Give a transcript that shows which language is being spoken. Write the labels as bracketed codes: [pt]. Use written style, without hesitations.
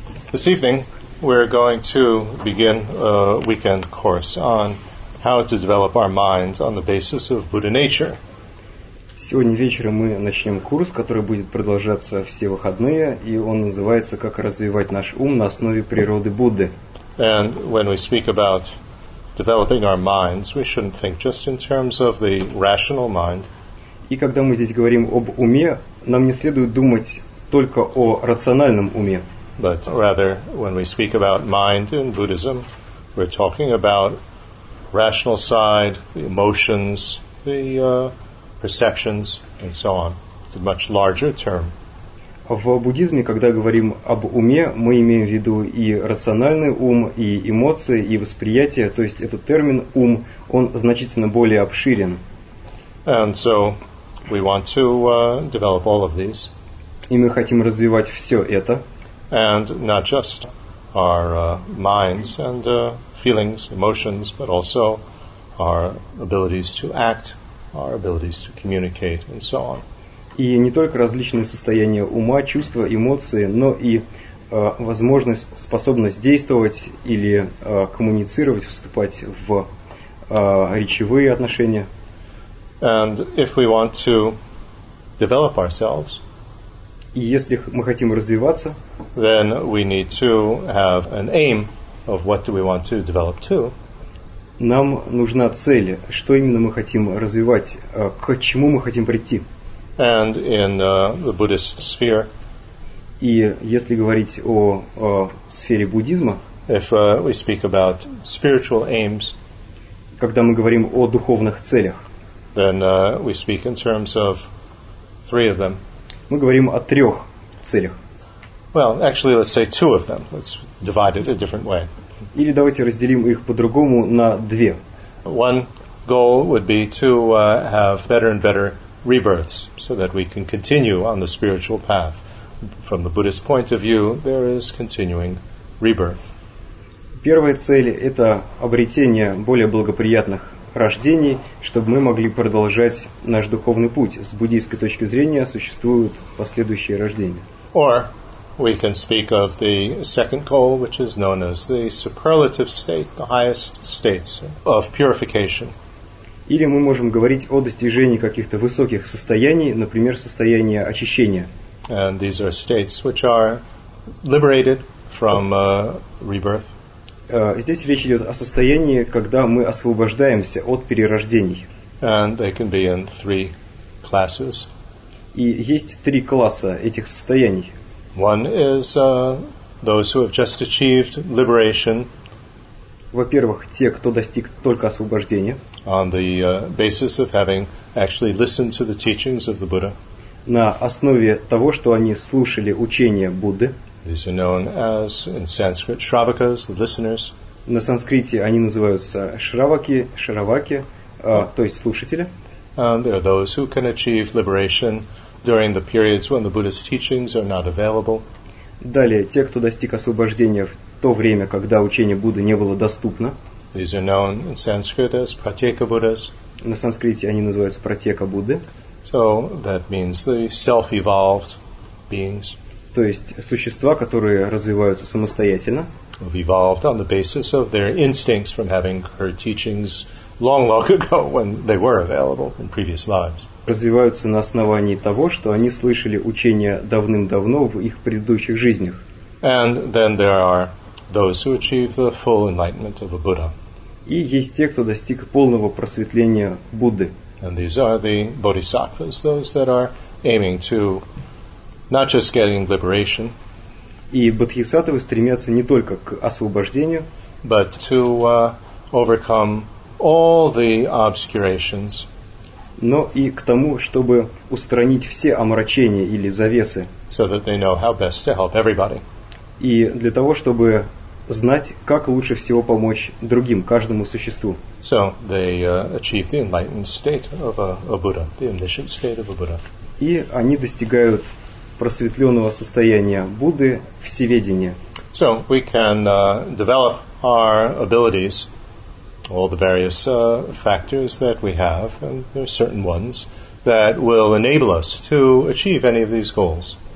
[en] This evening, we're going to begin a weekend course on how to develop our minds on the basis of Buddha nature. [ru] Сегодня вечером мы начнем курс, который будет продолжаться все выходные, и он называется «Как развивать наш ум на основе природы Будды». [en] And when we speak about developing our minds, we shouldn't think just in terms of the rational mind. [ru] И когда мы здесь говорим об уме, нам не следует думать только о рациональном уме. [en] But rather, when we speak about mind in Buddhism, we're talking about rational side, the emotions, the perceptions, and so on. It's a much larger term. [ru] В буддизме, когда говорим об уме, мы имеем в виду и рациональный ум, и эмоции, и восприятие. То есть этот термин «ум», он значительно более обширен. [en] And so we want to develop all of these. [ru] И мы хотим развивать все это. [en] And not just our minds and feelings, emotions, but also our abilities to act, our abilities to communicate, and so on. [ru] И не только различные состояния ума, чувства, эмоции, но и возможность, способность действовать или коммуницировать, вступать в речевые отношения. [en] And if we want to develop ourselves, [ru] и если мы хотим развиваться, [en] then we need to have an aim of what do we want to develop to. [ru] Нам нужна цель, что именно мы хотим развивать, к чему мы хотим прийти. [en] And in the Buddhist sphere, [ru] и если говорить о сфере буддизма, [en] if we speak about spiritual aims, [ru] когда мы говорим о духовных целях, [en] then we speak in terms of three of them. [ru] Мы говорим о трех целях. [en] Well, actually, let's say two of them. Let's divide it a different way. [ru] Или давайте разделим их по-другому на две. [en] One goal would be to have better and better rebirths, so that we can continue on the spiritual path. From the Buddhist point of view, there is continuing rebirth. [ru] Первая цель – это обретение более благоприятных рождений, чтобы мы могли продолжать наш духовный путь. С буддийской точки зрения существуют последующие рождения. [en] Or we can speak of the second goal, which is known as the superlative state, the highest states of purification. [ru] Или мы можем говорить о достижении каких-то высоких состояний, например, состояния очищения. [en] And these are states which are liberated from rebirth. [ru] Здесь речь идет о состоянии, когда мы освобождаемся от перерождений. [en] And they can be in three classes. [ru] И есть три класса этих состояний. [en] One is those who have just achieved liberation. [ru] Во-первых, те, кто достиг только освобождения. [en] On the basis of having actually listened to the teachings of the Buddha. [ru] На основе того, что они слушали учение Будды. [en] These are known as, in Sanskrit, shravakas, the listeners. [ru] На санскрите они называются шраваки, шраваки, то есть слушатели. [en] There are those who can achieve liberation during the periods when the Buddha's teachings are not available. [ru] Далее, те, кто достиг освобождения в то время, когда учение Будды не было доступно. [en] These are known in Sanskrit as pratyeka Buddhas. [ru] На санскрите они называются пратьека Будды. [en] So that means the self-evolved beings. [ru] То есть существа, которые развиваются самостоятельно. [en] Have evolved on the basis of their instincts from having heard teachings long, long ago when they were available in previous lives. [ru] Развиваются на основании того, что они слышали учения давным-давно в их предыдущих жизнях. [en] And then there are those who achieve the full enlightenment of a Buddha. [ru] И есть те, кто достиг полного просветления Будды. [en] And these are the bodhisattvas, those that are aiming to not just getting liberation. [ru] И бодхисаттвы стремятся не только к освобождению, [en] but to overcome all the obscurations. [ru] Но и к тому, чтобы устранить все омрачения или завесы. [en] So that they know how best to help everybody. [ru] И для того, чтобы знать, как лучше всего помочь другим, каждому существу. [en] So they achieve the enlightened state of a Buddha, the omniscient state of a Buddha. [ru] И они достигают просветленного состояния Будды, всеведения. [en] So we can develop our abilities, all the various factors that we have, and there are certain ones that will enable us to achieve any of these goals.